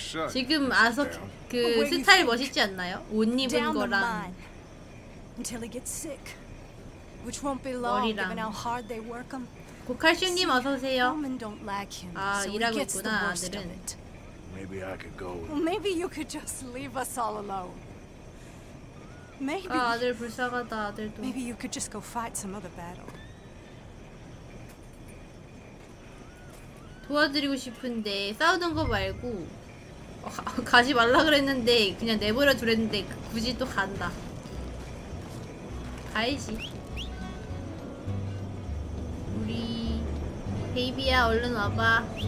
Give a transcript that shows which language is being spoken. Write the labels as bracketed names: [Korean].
[Korean] 지금 아서 그 스타일 멋있지 않나요? 옷 입은 거랑 [English] until he gets sick which won't be long given how hard they work him. [Korean] 고칼슘 님 어서 오세요. 아, 일하고 있구나, 아들은. [English] Maybe I could go. Maybe you could just leave us all alone. Maybe. [Korean] 아, 아들 불쌍하다, 아들도. [English] Maybe you could just go fight some other battle. [Korean] 도와드리고 싶은데 싸우는 거 말고 가지 말라 그랬는데 그냥 내버려 두랬는데 굳이 또 간다. 가야지. 우리 베이비야 얼른 와봐.